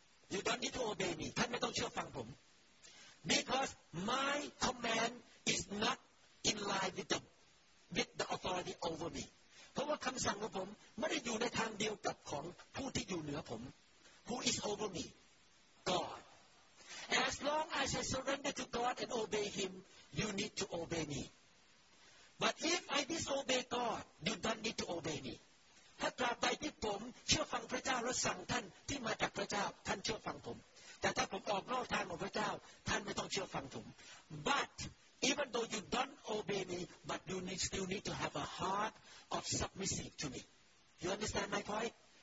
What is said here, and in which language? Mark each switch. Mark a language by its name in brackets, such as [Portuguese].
[English] You don't need to obey me. [Thai] ท่านไม่ต้องเชื่อฟังผม [English] Because my command is not in line with the authority over me. [Thai] เพราะว่าคำ คำสั่งของผมไม่ได้อยู่ในทางเดียวกับของผู้ที่อยู่เหนือผม [English] Who is over me? God. As long as I surrender to God and obey Him, you need to obey me. But if I disobey God, you don't need to obey me. [Thai] ถ้าตราบใดที่ผมเชื่อฟังพระเจ้าและสั่งท่านที่มาจากพระเจ้าท่านเชื่อฟังผมแต่ถ้าผมออกนอกทางของพระเจ้าท่านไม่ต้องเชื่อฟังผม [English] butEven though you don't obey me, but you still need to have a heart of submissive to me. You understand my point?